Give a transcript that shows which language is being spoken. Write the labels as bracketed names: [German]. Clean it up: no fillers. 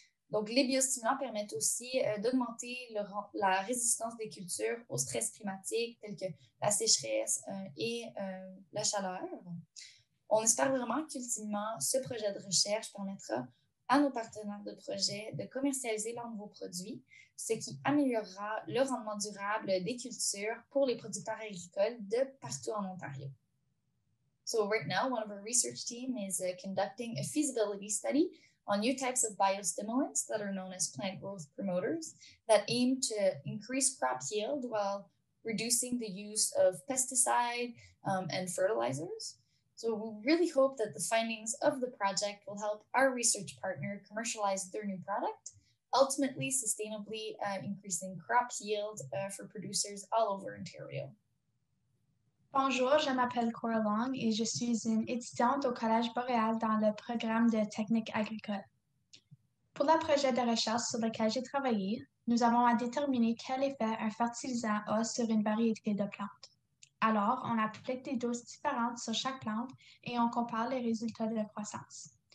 [French] Donc, les biostimulants permettent aussi d'augmenter la résistance des cultures au stress climatique, tels que la sécheresse et la chaleur. On espère vraiment qu'ultimement, ce projet de recherche permettra à nos partenaires de projet de commercialiser leurs nouveaux produits, ce qui améliorera le rendement durable des cultures pour les producteurs agricoles de partout en Ontario. [English] So right now, one of our research team is conducting a feasibility study on new types of biostimulants that are known as plant growth promoters that aim to increase crop yield while reducing the use of pesticide and fertilizers. So we really hope that the findings of the project will help our research partner commercialize their new product, ultimately sustainably increasing crop yield for producers all over Ontario. [French] Bonjour, je m'appelle Cora Long et je suis une étudiante au Collège Boréal dans le programme de technique agricole. Pour le projet de recherche sur lequel j'ai travaillé, nous avons à déterminer quel effet un fertilisant a sur une variété de plantes. Alors, on applique des doses différentes sur chaque plante et on compare les résultats de la croissance.